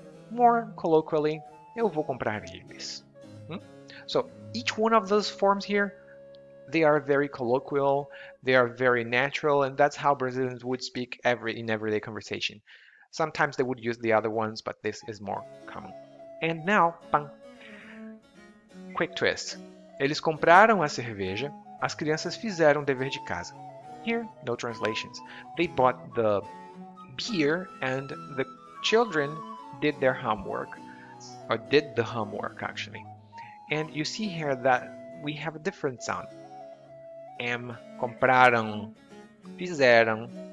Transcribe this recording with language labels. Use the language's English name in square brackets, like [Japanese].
[English] More colloquially, [Portuguese] eu vou comprar eles. [English] So, each one of those forms here, they are very colloquial, they are very natural, and that's how Brazilians would speak in everyday conversation. Sometimes they would use the other ones, but this is more common. And now, bang, quick twist. [Portuguese] Eles compraram a cerveja, as crianças fizeram dever de casa. [English] Here, no translations. They bought the beer and the children did their homework, or did the homework, actually. And you see here that we have a different sound. Am, compraram, fizeram.